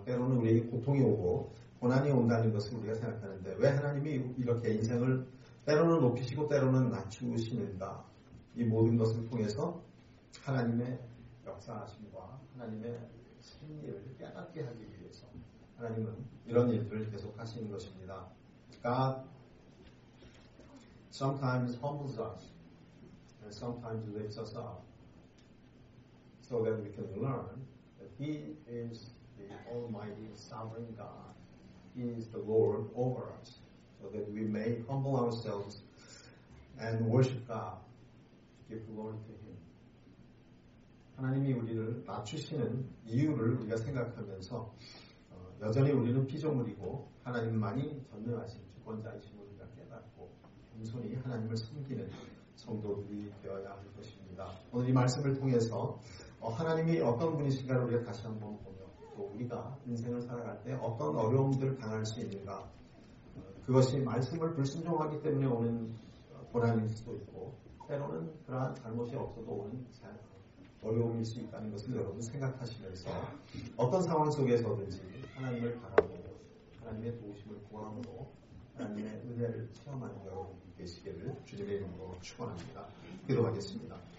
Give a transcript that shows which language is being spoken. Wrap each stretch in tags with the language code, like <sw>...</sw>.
<ko>때로는 우리에게 고통이 오고 고난이 온다는 것을 우리가 생각하는데 왜 하나님이 이렇게 인생을 때로는 높이시고 때로는 낮추시는가? 이 모든 것을 통해서 하나님의 역사하심과 하나님의 승리를 깨닫게 하기 위해서 하나님은 이런 일들을 계속 하시는 것입니다.</ko> <en>God sometimes humbles us and sometimes lifts us up so that we can learn that He is the Almighty Sovereign God. He is the Lord over us so that we may humble ourselves and worship God, give glory to Him.</en> <ko>하나님이 우리를 낮추시는 이유를 우리가 생각하면서 여전히 우리는 피조물이고 하나님만이 전능하신 주권자이심을 우리가 깨닫고 겸손히 하나님을 섬기는 성도들이 되어야 할 것입니다. 오늘 이 말씀을 통해서 하나님이 어떤 분이신가를 우리가 다시 한번 보며 또 우리가 인생을 살아갈 때 어떤 어려움들을 당할 수 있는가 그것이 말씀을 불순종하기 때문에 오는 고난일 수도 있고 때로는 그러한 잘못이 없어도 오는 자연 어려움일 수 있다는 것을 여러분 생각하시면서 어떤 상황 속에서든지 하나님을 바라보고 하나님의 도우심을 구하므로 하나님의 은혜를 체험하는 여러분 되시기를 주님의 이름으로 축원합니다. 기도하겠습니다.</ko>